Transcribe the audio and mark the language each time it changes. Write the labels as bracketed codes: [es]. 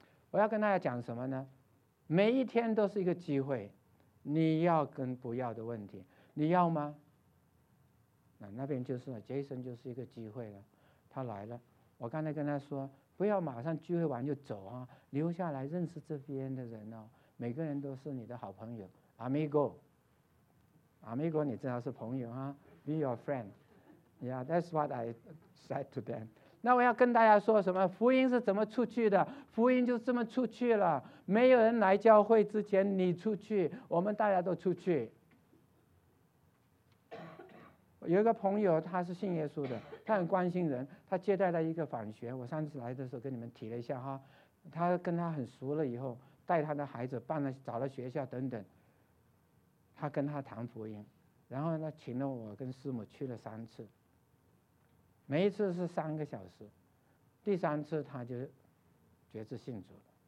[zh] 我要跟大家讲什么呢？每一天都是一个机会，你要跟不要的问题，你要吗？那边就是了， Jason 就是一个机会了，他来了。我刚才跟他说不要马上聚会完就走啊，留下来认识这边的人哦，每个人都是你的好朋友。 [es] Amigo Amigo [zh] 你知道是朋友啊， [en] Be your friend。 Yeah, that's what I said to them。 [zh] 那我要跟大家说什么，福音是怎么出去的？福音就这么出去了，没有人来教会之前你出去，我们大家都出去。有一个朋友他是信耶稣的，他很关心人，他接待了一个访学，我上次来的时候跟你们提了一下哈，他跟他很熟了以后带他的孩子办了找了学校等等，他跟他谈福音，然后呢请了我跟师母去了三次，每一次是三个小时，第三次他就决志信主了。